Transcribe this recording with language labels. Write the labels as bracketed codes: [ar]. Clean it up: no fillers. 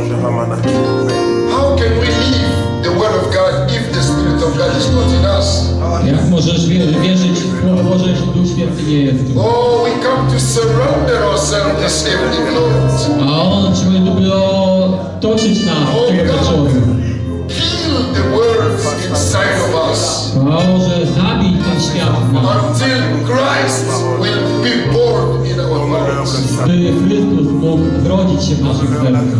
[en] How can we live the word of God if the Spirit of God is not in us? [pl] Jak możesz wierzyć w Słowo Boże, jeśli Duch Święty nie jest tu? [en] Oh, we come to surrender ourselves this evening, Lord. [pl] A On chce by otoczyć nas, oh, tego człowieka. [en] Kill the world inside of us. [pl] Boże, zabij ten świat w nas. [en] Until Christ will be born in our hearts. [pl] By Chrystus mógł zrodzić się w naszych sercach.